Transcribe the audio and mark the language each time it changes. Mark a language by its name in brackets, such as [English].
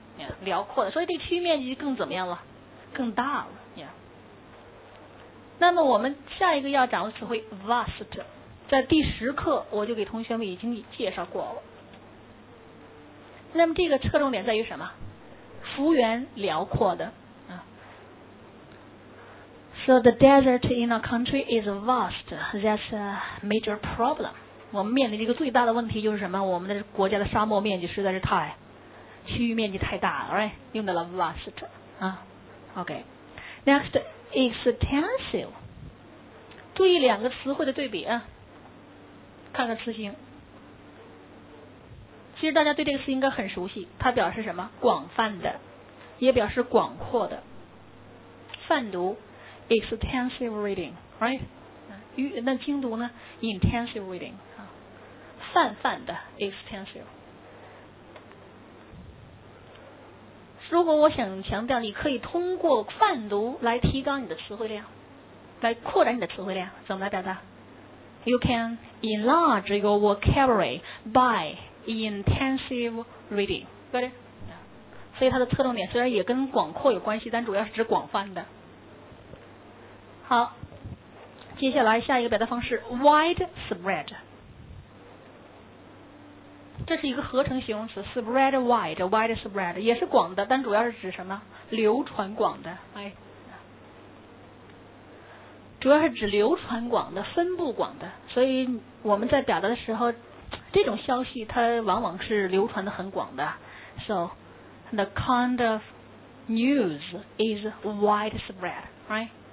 [Chinese] Yeah， 辽阔的，所以这个区域面积更怎么样了？更大了， yeah。那么我们下一个要掌握的词汇 vast，在第十课我就给同学们已经介绍过了。那么这个侧重点在于什么？幅员辽阔的。 [English] So the desert in a country is vast. That's a major problem. [Chinese] 我们面临一个最大的问题就是什么？我们的国家的沙漠面积实在是太，区域面积太大了， right？用到了 vast。OK。 [English] Next, extensive。 [Chinese] 注意两个词汇的对比啊。看个词形，其实大家对这个词应该很熟悉，它表示什么？广泛的，也表示广阔的。泛读 [English] extensive reading， [Chinese] right？ 那精读呢？ [English] intensive reading， [Chinese] 泛泛的 extensive。如果我想强调，你可以通过泛读来提高你的词汇量，来扩展你的词汇量，怎么来表达？ [English] You can enlarge your vocabulary by intensive reading， got it？ [Chinese] 所以它的侧重点虽然也跟广阔有关系，但主要是指广泛的。好，接下来下一个表达方式 widespread， 这是一个合成形容词 [English] spread wide， [Chinese] widespread 也是广的，但主要是指什么？流传广的，哎，主要是指流传广的，分布广的。所以我们在表达的时候，这种消息它往往是流传的很广的， [English] So the kind of news is widespread, right?